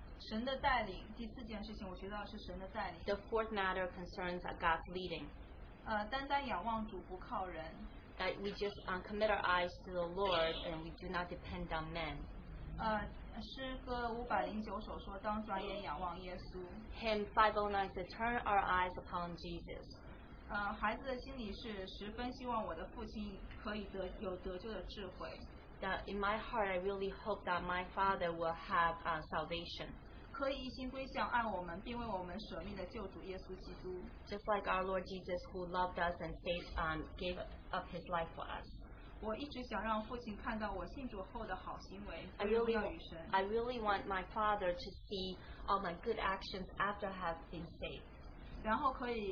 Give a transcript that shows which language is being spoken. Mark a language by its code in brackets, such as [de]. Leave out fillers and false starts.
[zh] 神的带领, 第四件事情, 我觉得是神的带领。 [en] The fourth matter concerns God's leading. [zh] 单单仰望主, 不靠人。 [en] That we just commit our eyes to the Lord and we do not depend on men. [zh] 诗歌 509首说, 当转眼仰望耶稣。 [en] Hymn 509 says, turn our eyes upon Jesus. [zh] 孩子的心里是十分希望我的父亲可以得救的智慧。 [en] That in my heart, I really hope that my father will have salvation. [zh] 可以一心归向爱我们并为我们舍命的救主耶稣基督。 [en] Just like our Lord Jesus who loved us and saved, gave up his life for us. [zh] 我一直想让父亲看到我信主后的好行为, [en] I really want my father to see all my good actions after I have been saved.